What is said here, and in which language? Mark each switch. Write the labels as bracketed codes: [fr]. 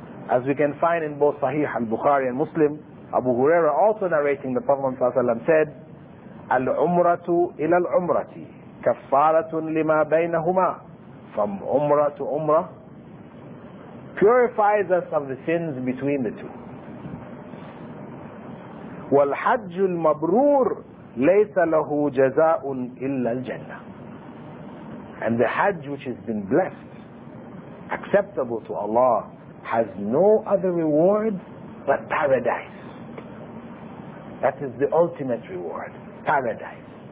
[en] As we can find in both Sahih al-Bukhari and Muslim, Abu Hurairah also narrating the Prophet ﷺ said, [ar] Al-Umratu ila al-Umrati kaffaratun lima baynahuma [en] from Umrah to Umrah. Purifies us of the sins between the two. [ar] والحج المبرور ليس له جزاء إلا الجنة. [en] And the Hajj which has been blessed, acceptable to Allah, has no other reward but paradise. That is the ultimate reward, paradise.